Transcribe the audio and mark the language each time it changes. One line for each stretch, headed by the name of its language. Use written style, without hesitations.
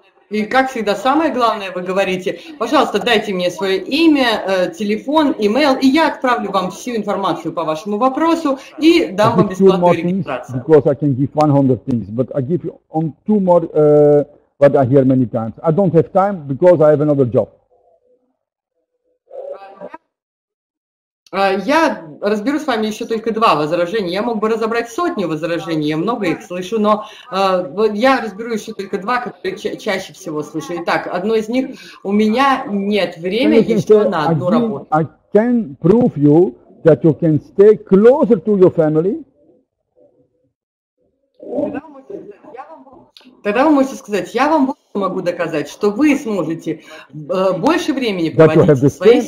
Russian: И как всегда, самое главное, вы говорите, пожалуйста, дайте мне свое имя, телефон, имейл, и я отправлю вам всю информацию по вашему вопросу и дам вам бесплатную регистрацию.
English: Because I can give 100 things, but I give you on two more what I hear many times. I don't have time because I have another job.
Russian: Я разберу с вами еще только два возражения. Я мог бы разобрать сотни возражений, я много их слышу, но я разберу еще только два, которые чаще всего слышу. Итак, одно из них, у меня нет времени еще на одну работу.
English: I can prove you that you can stay closer to your family.
Russian: Тогда вы можете сказать, я вам могу доказать, что вы сможете больше времени проводить со своей семьей.